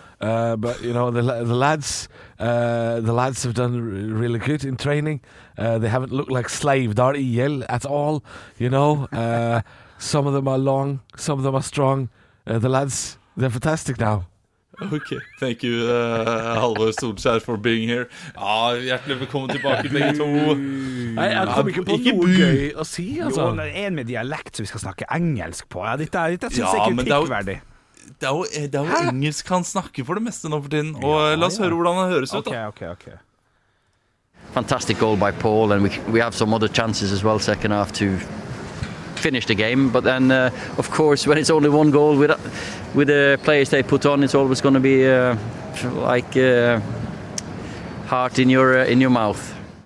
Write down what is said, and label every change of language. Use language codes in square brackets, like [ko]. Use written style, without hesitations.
[en] But, you know, the lads have done really good in training. They haven't looked like slave Darty Yell at all, you know. some of them are long, some of them are strong. The lads, they're fantastic now. Okay, thank you, Halvor Solskjær, for being here. [no] Hjertelig velkommen tilbake, begge to. Nei, jeg kommer ikke på ikke noe gøy å si, altså. Jo, det en med dialekt som vi skal snakke engelsk på. Ja, dette synes jeg ikke er kritikkverdig. Det er jo engelsk han snakker for det meste nå for tiden. Og la oss høre hvordan det høres ut da. [en] Okay. Fantastic goal by Paul, and we have some other chances as well, second half, to finish the game, but then of course when it's only one goal with the players they put on, it's always going to be like heart in your mouth.